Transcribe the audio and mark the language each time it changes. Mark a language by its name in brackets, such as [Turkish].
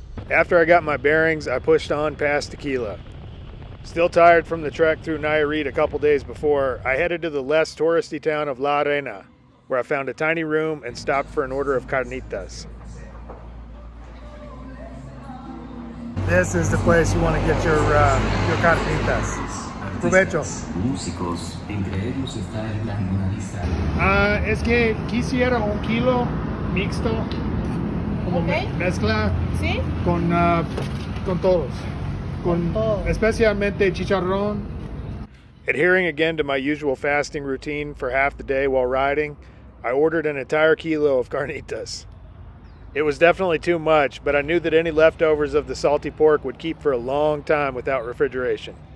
[English] After I got my bearings, I pushed on past Tequila. Still tired from the trek through Nayarit a couple days before, I headed to the less touristy town of La Arena, where I found a tiny room and stopped for an order of carnitas. This is the place you want to get your carnitas. [Spanish] Provecho. Músicos, entre ellos está el lista. Es que quisiera un kilo mixto. Okay. Mezcla ¿sí? con todos, con todo. Especialmente chicharrón. [English] Adhering again to my usual fasting routine for half the day while riding, I ordered an entire kilo of carnitas. It was definitely too much, but I knew that any leftovers of the salty pork would keep for a long time without refrigeration.